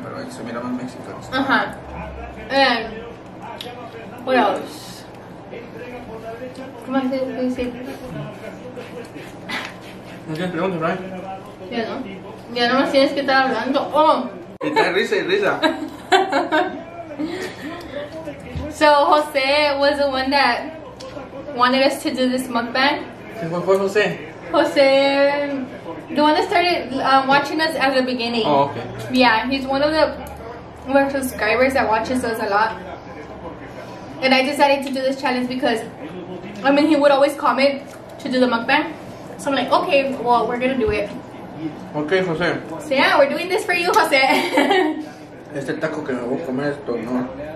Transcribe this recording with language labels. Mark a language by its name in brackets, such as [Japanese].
[Spanish] Pero se mira más mexicano. Ajá. [English] What else? [Spanish] ¿Cómo se dice? No tienes preguntas, ¿verdad? Ya no. Ya no tienes que estar hablando. [English] Oh. [Spanish] Y te risa y risa. [English] So Jose was the one that wanted us to do this mukbang. [Spanish] ¿Qué fue Jose? [English] Jose, the one that started watching us at the beginning. Oh, okay. Yeah, he's one of the subscribers that watches us a lot. And I decided to do this challenge because, I mean, he would always comment to do the mukbang. So I'm like, okay, well, we're gonna do it. Okay, Jose. So yeah, we're doing this for you, Jose. [Spanish] Este taco que me voy a comer esto, ¿no?